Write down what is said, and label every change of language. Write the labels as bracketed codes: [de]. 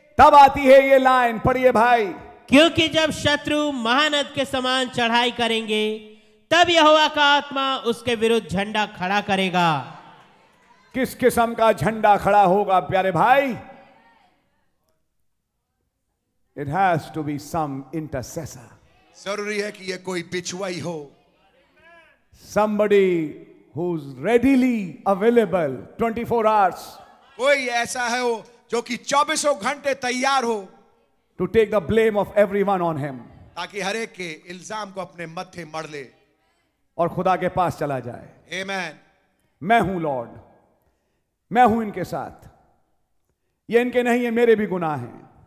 [hi] तब आती है ये लाइन, पढ़िए भाई. क्योंकि जब शत्रु महानद के समान चढ़ाई करेंगे तब यहोवा का आत्मा उसके विरुद्ध झंडा खड़ा करेगा. किस किस्म का झंडा खड़ा होगा प्यारे भाई? [en] It has to be some intercessor. [hi] जरूरी है कि ये कोई बिचवाई हो. [en] Somebody who's readily available 24 hours. [hi] कोई ऐसा है वो जो कि 24 घंटे तैयार हो. [en] To take the blame of everyone on him. [hi] ताकि हर एक के इल्जाम को अपने मथे मढ़ ले और खुदा के पास चला जाए. [en] Amen. [hi] मैं हूं लॉर्ड, मैं हूं इनके साथ, ये इनके नहीं है, मेरे भी गुनाह हैं.